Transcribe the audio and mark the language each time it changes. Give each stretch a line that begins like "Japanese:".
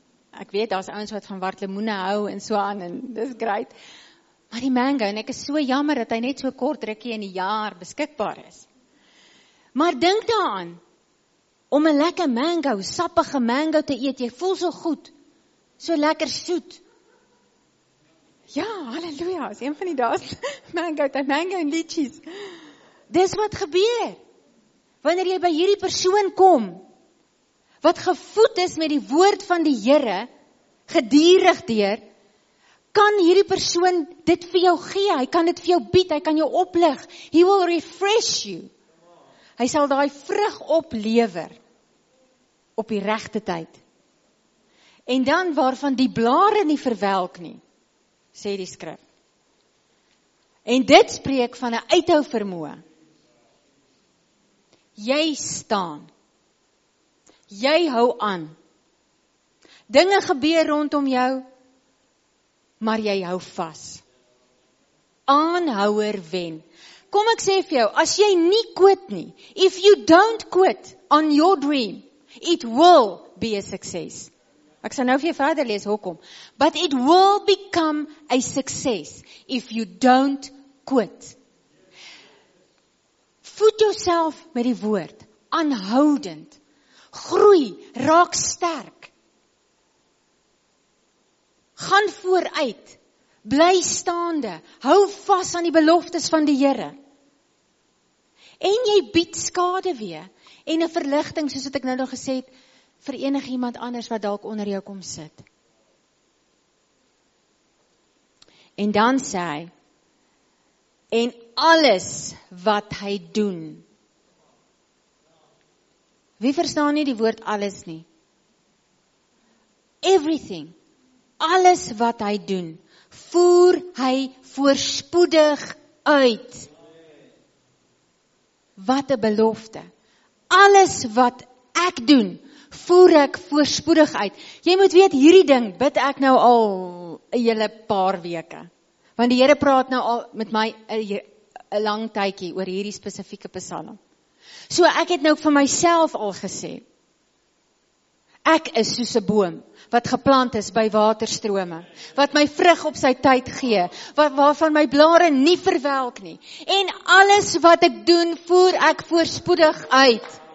Afrikaans: Ek weet, daar is ouens wat van wat lemoene hou en so aan en dis great. Maar die mango, en ek is so jammer dat hy net so kort rukkie in die jaar beskikbaar is. Maar dink daaraan, om 'n lekker mango, sappige mango te eet, jy voel so goed, so lekker soet. Ja, halleluja, is een van die daas, mango en lychees. Dis wat gebeur, wanneer jy by hierdie persoon kom, wat gevoed is met die woord van die Here, gedurig deur, kan hierdie persoon dit vir jou gee, hy kan dit vir jou bied, hy kan jou oplig,
English: he will refresh you.
Afrikaans: Hy sal daai vrug oplewer op die regte tyd. En dan waarvan die blare nie verwelk nie, sê die skrif. En dit spreek van 'n uithou vermoë. Jy staan. Jy hou aan. Dinge gebeur rondom jou, maar jy hou vas. Aanhouer wen. Kom ek sê vir jou, as jy nie quit nie,
English: if you don't quit on your dream, it will be a success.
Afrikaans: Ek sal nou vir jou verder lees, hoekom.
English: But it will become a success if you don't quit.
Afrikaans: Voed jouself met die woord, aanhoudend. Groei, raak sterk. Gaan vooruit. Bly staande, hou vas aan die beloftes van die Here. En jy bied skade weer en 'n verligting soos wat ek nou nog gesê het vir enigiemand anders wat dalk onder jou kom sit. En dan sê hy en alles wat hy doen. Wie verstaan nie die woord alles nie? Everything. Alles wat hy doen. Voer hy voorspoedig uit. Wat 'n belofte. Alles wat ek doen, voer ek voorspoedig uit. Jy moet weet, hierdie ding bid ek nou al 'n hele paar weke. Want die Here praat nou al met my 'n lang tydjie oor hierdie spesifieke psalm. So ek het nou vir myself al gesê, Ek is soos 'n boom wat geplant is by waterstrome, wat my vrug op sy tyd gee, waarvan my blare nie verwelk nie. En alles wat ek doen, voer ek voorspoedig uit.